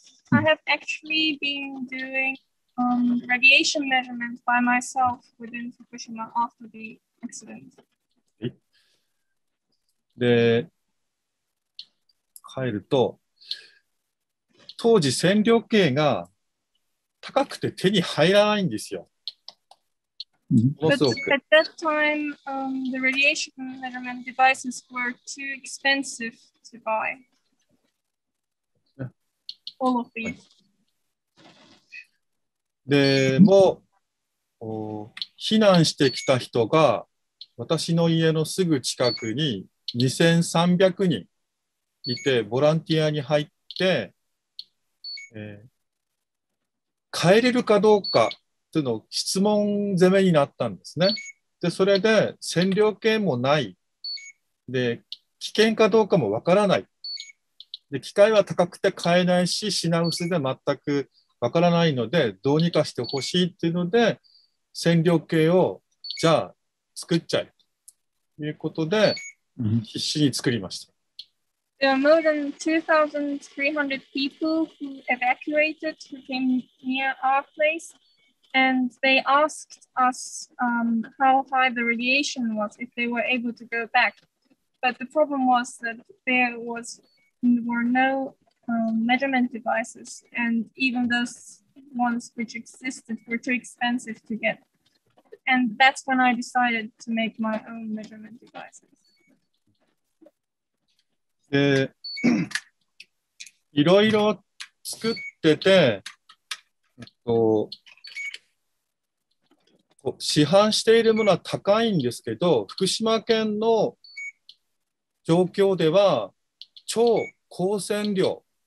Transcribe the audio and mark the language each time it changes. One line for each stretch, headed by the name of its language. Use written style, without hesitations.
English: I have actually been doing、radiation measurements by myself within Fukushima after the accident.
Japanese: で帰ると当時線量計が高くて手に入らないんですよ。ものすごく。
English: At that time, the radiation measurement devices were too expensive to buy. All of these.
Japanese: でも避難してきた人が私の家のすぐ近くに2300人いて、ボランティアに入って、帰れるかどうかっていうのを質問攻めになったんですね。で、それで線量計もない。で、危険かどうかもわからない。で、機械は高くて買えないし、品薄で全くわからないので、どうにかしてほしいっていうので、線量計をじゃあ作っちゃえ。ということで、必死に作りました。
English: There are more than 2,300 people who evacuated who came near our place, and they asked us how high the radiation was if they were able to go back. But the problem was that there was were no measurement devices, and even those ones which existed were too expensive to get. And that's when I decided to make my own measurement devices.
Japanese: いろいろ作ってて、市販しているものは高いんですけど、福島県の状況では超高線量、